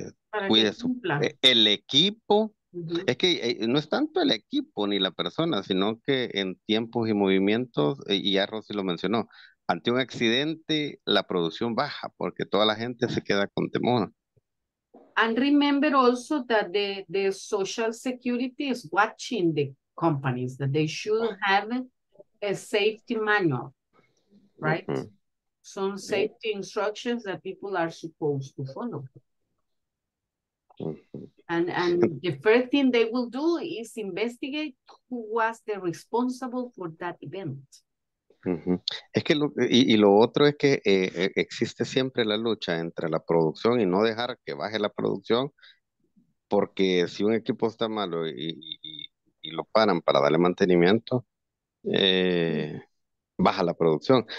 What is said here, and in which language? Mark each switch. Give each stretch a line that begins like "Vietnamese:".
Spanish: para cuide que cumpla. El equipo. Uh-huh. Es que no es tanto el equipo ni la persona, sino que en tiempos y movimientos, y ya Rosy lo mencionó, ante un accidente la producción baja porque toda la gente se queda con temor.
English: And remember also that the Social Security is watching the companies, that they should have a safety manual, right? Uh-huh. Some safety instructions that people are supposed to follow. And the first thing they will do is investigate who was the responsible for that event. Uh-huh.
Spanish: Es que lo otro es que existe siempre la lucha entre la producción y no dejar que baje la producción, porque si un equipo está malo y lo paran para darle mantenimiento, baja la producción.